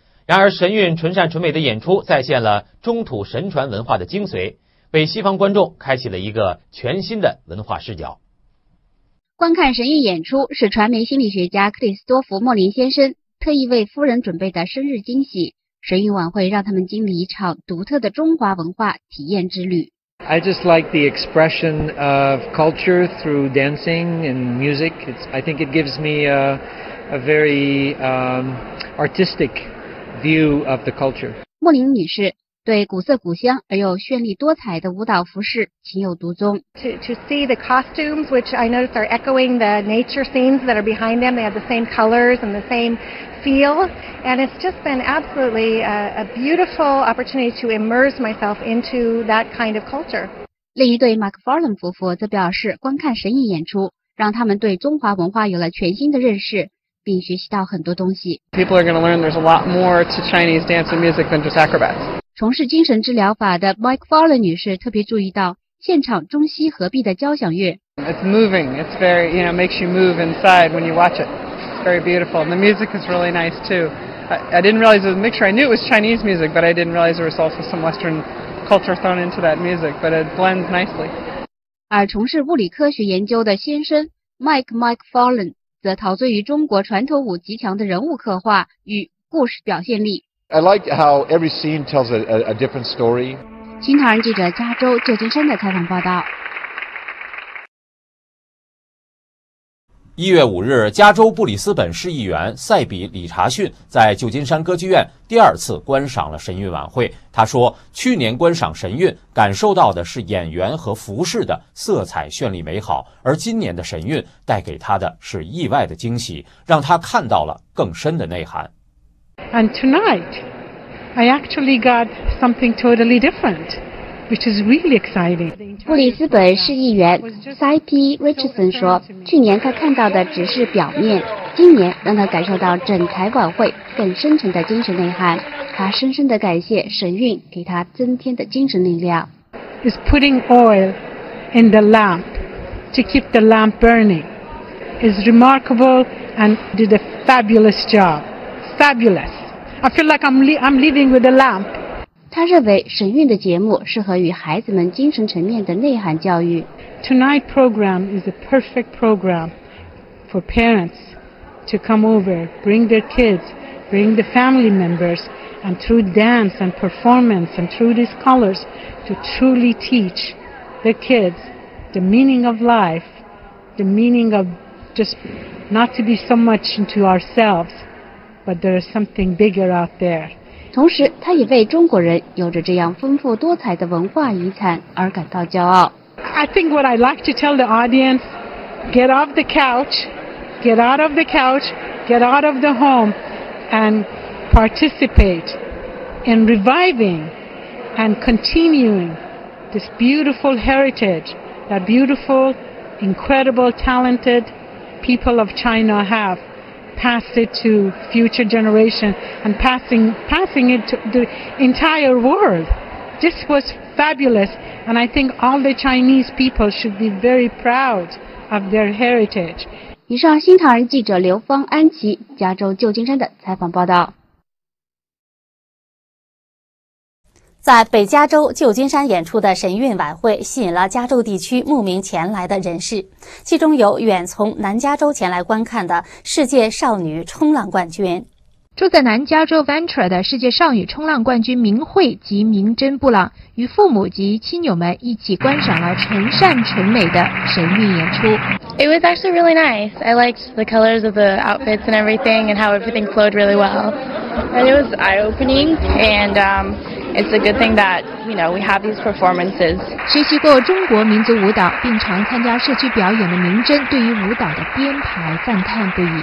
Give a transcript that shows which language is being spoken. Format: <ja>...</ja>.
<zh>然而神韵纯善纯美的演出再现了中土神传文化的精髓，为西方观众开启了一个全新的文化视角。观看神韵演出是传媒心理学家克里斯多福·莫林先生特意为夫人准备的生日惊喜，神韵晚会让他们经历一场独特的中华文化体验之旅。</zh> <en>I just like the expression of culture through dancing and music. I think it gives me a very artistic view of the culture.</en> <zh>莫林女士对古色古香而又绚丽多彩的舞蹈服饰情有独钟。</zh> <en>To see the costumes, which I notice are echoing the nature scenes that are behind them, they have the same colors and the same feel, and it's just been absolutely a beautiful opportunity to immerse myself into that kind of culture.</en> <zh>另一对 MacFarlane 夫妇则表示，观看神韵演出让他们对中华文化有了全新的认识。并学习到很多东西。</zh> <en>People are going to learn there's a lot more to Chinese dance and music than just acrobats.</en> <zh>从事精神治疗法的 Mike Fowler 女士特别注意到现场中西合璧的交响乐。</zh> <en>It's moving. It's very, you know, makes you move inside when you watch it. It's very beautiful. And the music is really nice too. I didn't realize it was a mixture. I knew it was Chinese music, but I didn't realize there was also some Western culture thrown into that music. But it blends nicely.</en> <zh>而从事物理科学研究的先生 Mike Fowler。则陶醉于中国传统舞极强的人物刻画与故事表现力。</zh> <en>I like how every scene tells a different story.</en> <zh>新唐人记者加州旧金山的采访报道。一月五日，加州布里斯本市议员塞比·理查逊在旧金山歌剧院第二次观赏了神韵晚会。他说，去年观赏神韵，感受到的是演员和服饰的色彩绚丽美好，而今年的神韵带给他的是意外的惊喜，让他看到了更深的内涵。</zh> <en>And tonight, I actually got something totally different. Which is really exciting.</en> <zh>布里斯本市议员 C.P. Richardson 说，去年他看到的只是表面，今年让他感受到整台晚会更深沉的精神内涵。他深深地感谢神韵给他增添的精神力量。</zh> <en>It's putting oil in the lamp to keep the lamp burning. It's remarkable and did a fabulous job. Fabulous. I feel like I'm living with a lamp.</en> <zh>他认为神韵的节目适合与孩子们精神层面的内涵教育。</zh> <en>Tonight program is a perfect program for parents to come over, bring their kids, bring the family members, and through dance and performance and through these colors to truly teach the kids the meaning of life, the meaning of just not to be so much into ourselves, but there is something bigger out there.</en> <zh>同时他也为中国人有着这样丰富多彩的文化遗产而感到骄傲。</zh> <en>I think what I'd like to tell the audience, get off the couch, get out of the couch, get out of the home, and participate in reviving and continuing this beautiful heritage that beautiful, incredible, talented people of China have. Pass it to future generation and passing it to the entire world. This was fabulous, and I think all the Chinese people should be very proud of their heritage.</en> <zh>以上新唐人记者刘芳安琪，加州旧金山的采访报道。在北加州旧金山演出的神韵晚会吸引了加州地区慕名前来的人士，其中有远从南加州前来观看的世界少女冲浪冠军。住在南加州 Ventura 的世界少女冲浪冠军明慧及明真布朗与父母及亲友们一起观赏了纯善纯美的神韵演出。</zh> <en>It was actually really nice. I liked the colors of the outfits and everything and how everything flowed really well. And it was eye-opening and It's a good thing that, you know, we have these performances.</en> <zh>学习过中国民族舞蹈并常参加社区表演的明真对于舞蹈的编排赞叹不已。</zh>